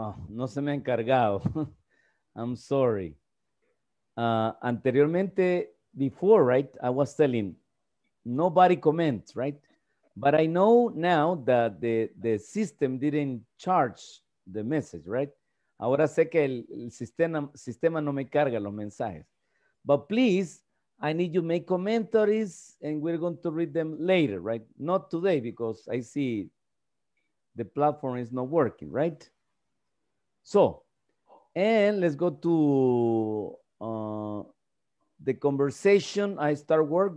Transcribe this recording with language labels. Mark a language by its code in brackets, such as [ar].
[es] No se me ha encargado. [en] I'm sorry. Anteriormente, before, right, I was telling, nobody comments, right? But I know now that the system didn't charge the message, right? [es] Ahora sé que el sistema no me carga los mensajes. [en] But please, I need you to make commentaries, and we're going to read them later, right? Not today, because I see the platform is not working, right? So, and let's go to the conversation. I start work.